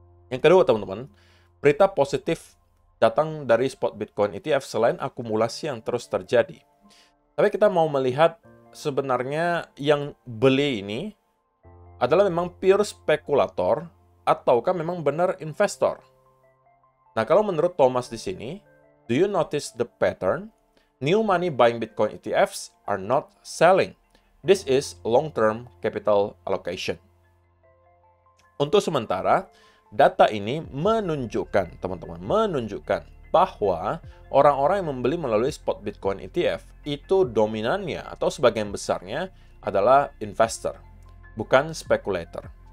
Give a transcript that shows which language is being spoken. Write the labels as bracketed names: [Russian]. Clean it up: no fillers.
[Indonesian] Yang kedua, teman-teman, berita positif datang dari Spot Bitcoin ETF selain akumulasi yang terus terjadi. Tapi kita mau melihat sebenarnya yang beli ini adalah memang pure spekulator ataukah memang benar investor. Nah, kalau menurut Thomas di sini, [English] do you notice the pattern? New money buying Bitcoin ETFs are not selling. This is long-term capital allocation. [Indonesian] Untuk sementara, data ini menunjukkan, teman-teman, menunjukkan bahwa orang-orang yang membeli melalui Spot Bitcoin ETF itu dominannya atau sebagian besarnya adalah investor, bukan spekulator.